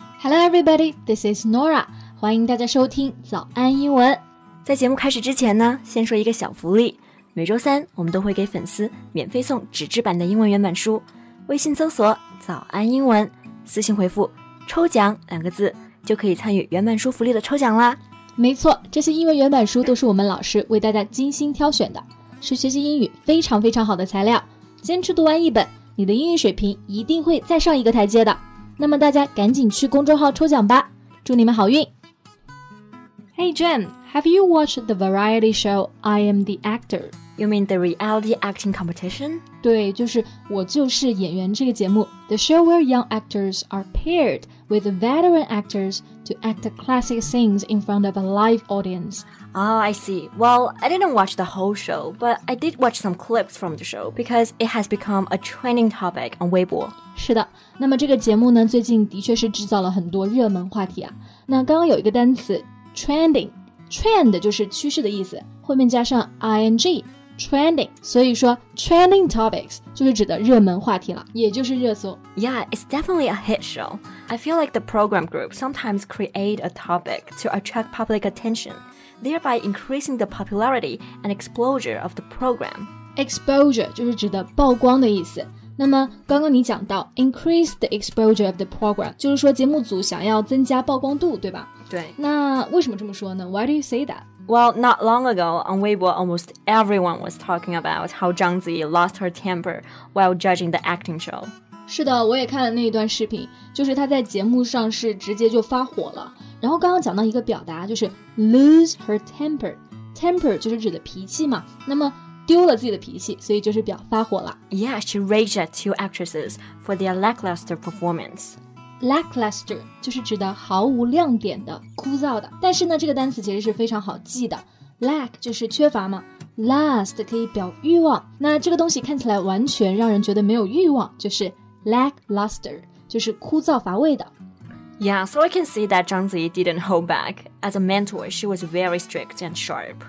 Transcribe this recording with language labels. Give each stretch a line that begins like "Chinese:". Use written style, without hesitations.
English: Hello everybody, this is Nora.
Chinese: 欢迎大家收听早安英文。在节目开始之前呢，先说一个小福利。每周三我们都会给粉丝免费送纸质版的英文原版书。微信搜索早安英文，私信回复抽奖两个字，就可以参与原版书福利的抽奖啦。没错，这些英文原版书都是我们老师为大家精心挑选的，是学习英语非常非常好的材料。坚持读完一本，你的英语水平一定会再上一个台阶的。那么大家赶紧去公众号抽奖吧，祝你们好运。
English: Hey Jen, have you watched the variety show I Am The Actor? You mean the reality acting competition?
Chinese: 对，就是我就是演员这个节目。
English: The show where young actors are paired with veteran actors to act classic scenes in front of a live audience. Oh, I see. Well, I didn't watch the whole show, but I did watch some clips from the show because it has become a trending topic on Weibo.
Chinese: 是的，那么这个节目呢，最近的确是制造了很多热门话题啊。那刚刚有一个单词 trending, trend 就是趋势的意思，后面加上 ing, trending, 所以说
English: trending topics
Chinese: 就是指的热门话题了，也就是热搜。
English: Yeah, it's definitely a hit show. I feel like the program group sometimes create a topic to attract public attention. Thereby increasing the popularity and exposure of the program.
Chinese: Exposure 就是指的曝光的意思。那么刚刚你讲到
English: increase the exposure of the program,
Chinese: 就是说节目组想要增加曝光度，对吧？对。那为什么这么说呢？
English: Why do you say that? Well, not long ago, on Weibo, almost everyone was talking about how Zhang Ziyi lost her temper while judging the acting show.
Chinese: 是的，我也看了那一段视频，就是她在节目上是直接就发火了。然后刚刚讲到一个表达，就是
English: lose her temper.
Chinese: Temper 就是指的脾气嘛，那么丢了自己的脾气，所以就是表发火了。
English: Yeah, she raged at two actresses for their lackluster performance.
Chinese: Lackluster 就是指的毫无亮点的、枯燥的。但是呢，这个单词其实是非常好记的。Lack 就是缺乏嘛 ，lust 可以表欲望。那这个东西看起来完全让人觉得没有欲望，就是 lackluster， 就是枯燥乏味的。
English: Yeah, so I can see that Zhang Ziyi didn't hold back. As a mentor, she was very strict and sharp.